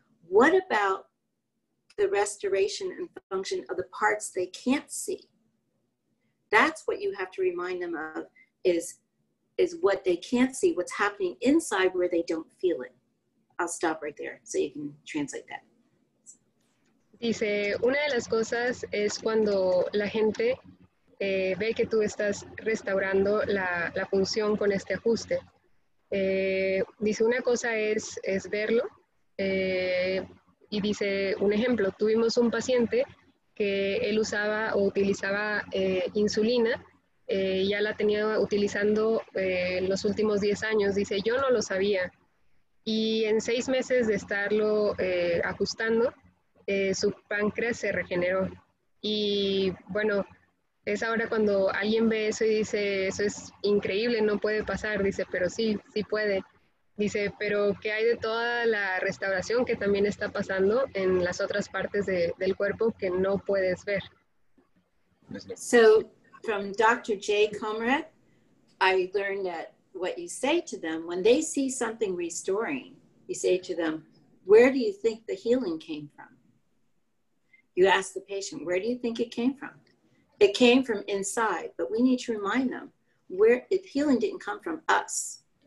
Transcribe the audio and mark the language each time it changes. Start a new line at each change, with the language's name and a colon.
English: What about the restoration and function of the parts they can't see? That's what you have to remind them of, is what they can't see, what's happening inside where they don't feel it. I'll stop right there so you can translate that.
Spanish: Dice, una de las cosas es cuando la gente ve que tú estás restaurando la función con este ajuste. Dice, una cosa es verlo. Y dice, un ejemplo, tuvimos un paciente que él usaba o utilizaba insulina, ya la tenía utilizando los últimos 10 años. Dice, yo no lo sabía. Y en 6 meses de estarlo ajustando, su páncreas se regeneró. Y bueno, es ahora cuando alguien ve eso y dice, eso es increíble, no puede pasar. Dice, pero sí, sí puede. Dice, pero ¿qué hay de toda la restauración que también está pasando en las otras partes del cuerpo que no puedes ver?
English: So, from Dr. J. Comrat, I learned that what you say to them, when they see something restoring, you say to them, where do you think the healing came from? You ask the patient, where do you think it came from? It came from inside, but we need to remind them where the healing didn't come from us.